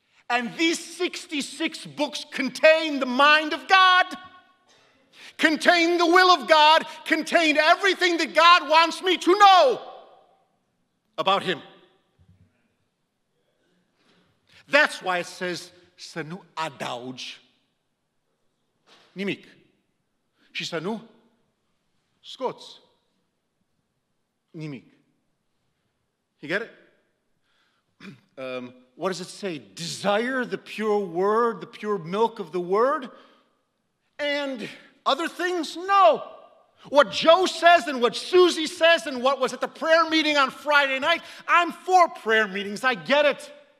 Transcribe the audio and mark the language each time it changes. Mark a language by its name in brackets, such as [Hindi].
[English] And these 66 books contain the mind of God, contain the will of God, contain everything that God wants me to know about him. That's why it says, [Romanian] să nu adaugi nimic și să nu scoți nimic. [English] You get it? What does it say? Desire the pure word, the pure milk of the word, and other things? No. What Joe says and what Susie says and what was at the prayer meeting on Friday night, I'm for prayer meetings. I get it.